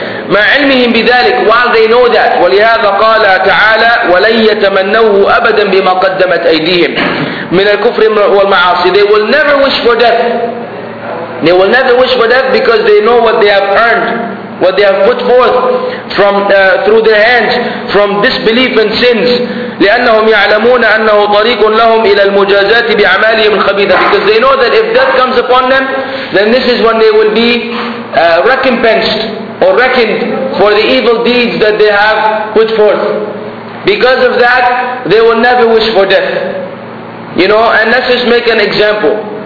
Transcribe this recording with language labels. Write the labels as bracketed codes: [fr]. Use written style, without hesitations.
[ar] مَا عِلْمِهِمْ بِذَلِكْ. [en] While they know that. [ar] وَلِهَذَا قَالَ تَعَالَى وَلَنْ يَتَمَنَّوهُ أَبَدًا بِمَا قَدَّمَتْ أَيْدِيهِمْ مِنَ الْكُفْرِ وَالْمَعَاصِ. [en] They will never wish for death. They will never wish for death because they know what they have earned, what they have put forth from through their hands, from disbelief and sins. [ar] لأنهم يعلمون أنه طريق لهم إلى المجازات بأعمالهم الخبيثة. [en] Because they know that if death comes upon them, then this is when they will be recompensed or reckoned for the evil deeds that they have put forth. Because of that, they will never wish for death. You know, and let's just make an example.